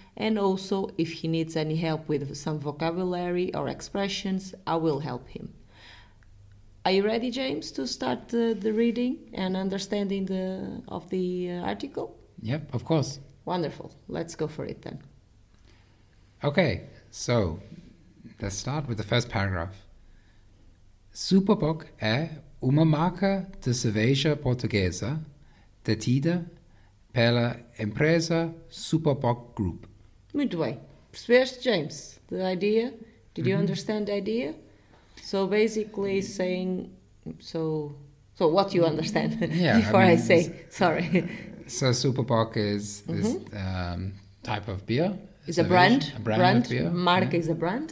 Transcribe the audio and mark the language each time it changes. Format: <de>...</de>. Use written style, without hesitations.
<en>And also, if he needs any help with some vocabulary or expressions, I will help him. Are you ready, James, to start the reading and understanding of the article? Yep, of course. Wonderful. Let's go for it then. Okay, so let's start with the first paragraph.</en> <pt>Superboc é uma marca de cerveja portuguesa detida pela empresa Superboc Group. Muito bem. Percebeste, James,</pt> <en>the idea? Did you understand the idea? So basically saying, so what do you understand? Yeah, before I say, sorry. So Superboc is this type of beer. It's a brand. Marca is a brand.</en>